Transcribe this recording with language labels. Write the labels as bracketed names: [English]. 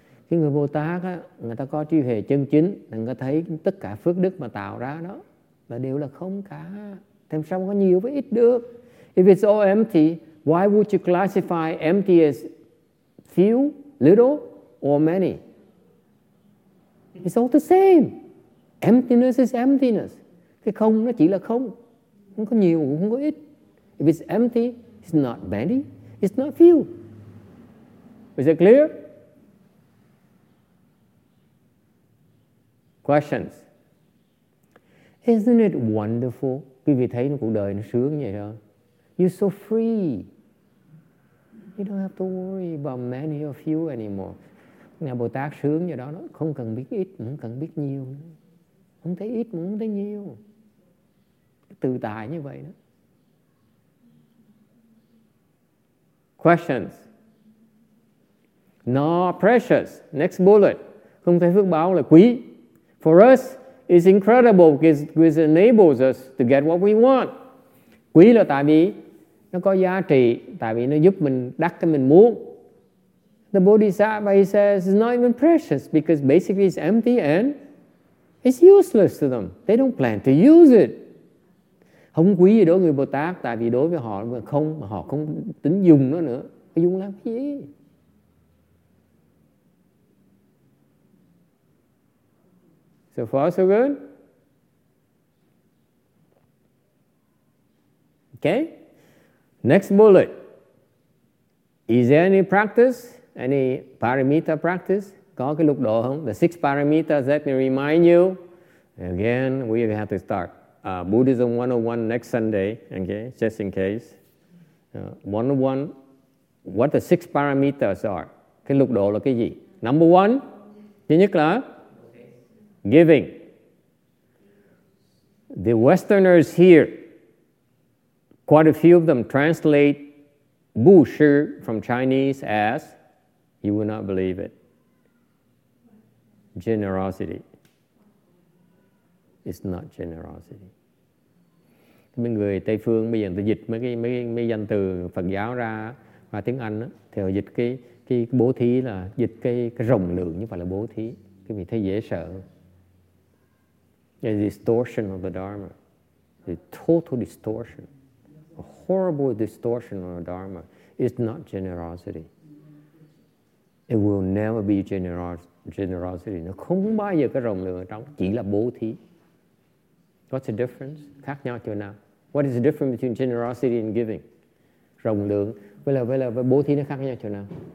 [Vietnamese] Khi người Bồ Tát á, người ta có trí huệ chân chính, người ta thấy tất cả phước đức mà tạo ra đó là đều là không cả. Làm sao có nhiều với ít được? [English] If it's all empty, why would you classify empty as few, little, or many? It's all the same. Emptiness is emptiness. [Vietnamese] Cái không nó chỉ là không. Không có nhiều, không có ít. [English] If it's empty, it's not many, it's not few. Is it clear? Questions? Isn't it wonderful? [Vietnamese] Quý vị thấy cuộc đời nó sướng vậy đó. [English] You're so free. You don't have to worry about many or few anymore. [Vietnamese] Ngài Bồ Tát sướng vậy đó. Không cần biết ít, không cần biết nhiều. Không thấy ít, không thấy nhiều. Tự tại như vậy đó. [English] Questions? No, precious. Next bullet. [Vietnamese] Không thấy phước báo là quý. [English] For us, it's incredible because it enables us to get what we want. [Vietnamese] Quý là tại vì nó có giá trị, tại vì nó giúp mình đắc cái mình muốn. [English] the Bodhisattva, he says, is not even precious because basically it's empty and it's useless to them. They don't plan to use it. [Vietnamese] Không quý gì đối người Bồ Tát, tại vì đối với họ không, họ không tính dùng nó nữa. Dùng làm gì? [English] So far, so good. Okay. Next bullet. Is there any practice? Any paramita practice? [Vietnamese] Có cái lục độ không? [English] The six paramitas, let me remind you. Again, we have to start. Buddhism 101 next Sunday, okay, just in case. [Vietnamese] 101, [English] what the six paramitas are? [Vietnamese] Cái lục độ là cái gì? [English] Number one, [Vietnamese] thứ nhất là [English] giving. The Westerners here, quite a few of them translate bù shì from Chinese as, you will not believe it, generosity. It's not generosity. [Vietnamese] Mấy người Tây phương bây giờ người ta dịch mấy danh từ Phật giáo ra và tiếng Anh đó, thì họ dịch cái bố thí là dịch cái rộng lượng như vậy là bố thí, cái vì thấy dễ sợ. [English] A distortion of the Dharma, the total distortion, a horrible distortion of the Dharma is not generosity. It will never be generosity. [Vietnamese] Nó không bao giờ cái rộng lượng ở trong, chỉ là bố thí. [English] What's the difference? [Vietnamese] Khác nhau chỗ nào? [English] What is the difference between generosity and giving? [Vietnamese] Rộng lượng. Vậy là bố thí nó khác nhau chỗ nào?